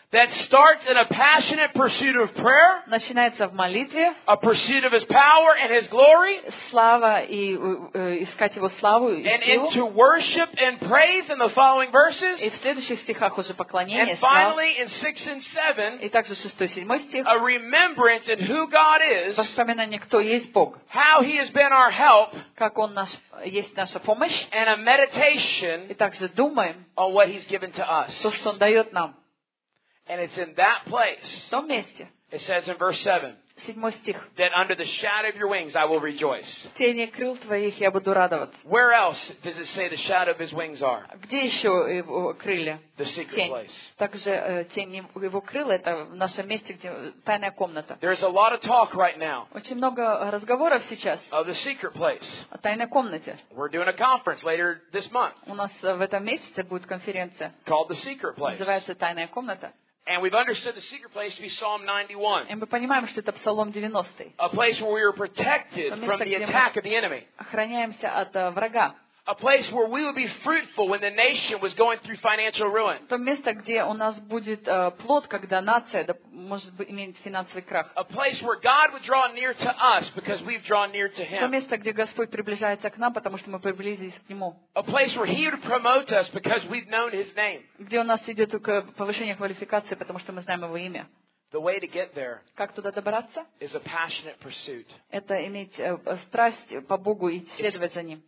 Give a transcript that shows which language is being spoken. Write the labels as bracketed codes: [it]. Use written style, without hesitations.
[en] That starts in a passionate pursuit of prayer. [ru] Начинается в молитве. [en] A pursuit of His power and His glory. [ru] Слава и искать Его славу и силу. [en] And into worship and praise in the following verses. [ru] И в следующих стихах уже поклонение. [en] And finally, in 6 and 7. [ru] И также шестой, седьмой стих. [en] A remembrance in who God is. [ru] Воспоминание, кто есть Бог. [en] How He has been our help. [ru] Как Он наш, есть наша помощь. [en] And a meditation. [ru] И также думаем. [en] On what He's given to us. [ru] То, что Он дает нам. [en] And it's in that place, [ru] в том месте, [en] it says in verse 7, [ru] седьмой стих, [en] that under the shadow of your wings I will rejoice. [ru] В тени крыл твоих я буду радоваться. [en] Where else does it say the shadow of his wings are? [ru] Где еще его крылья? [en] The secret тень. Place. [ru] Также тень его крыла, это в нашем месте, где тайная комната. [en] There's a lot of talk right now. [ru] Очень много разговоров сейчас. [en] Of the secret place. [ru] О тайной комнате. [en] We're doing a conference later this month. [ru] У нас в этом месяце будет конференция. [en] Called the secret place. [ru] Называется тайная комната. [en] And we've understood the secret place to be Psalm 91. [ru] И мы понимаем, что это Псалом 90. [en] A place where we are protected from the attack of the enemy. [ru] Охраняемся от врага. [en] A place where we would be fruitful when the nation was going through financial ruin. [ru] То место, где у нас будет плод, когда нация может иметь финансовый крах. [en] A place where God would draw near to us because we've drawn near to Him. [ru] То место, где Господь приближается к нам, потому что мы приблизились к Нему. [en] A place where He would promote us because we've known His name. [ru] Где у нас идет только повышение квалификации, потому что мы знаем Его имя. [en] The way to get there, [ru] как туда добраться, [en] is a passionate pursuit. [ru] Это иметь страсть по Богу и следовать за Ним.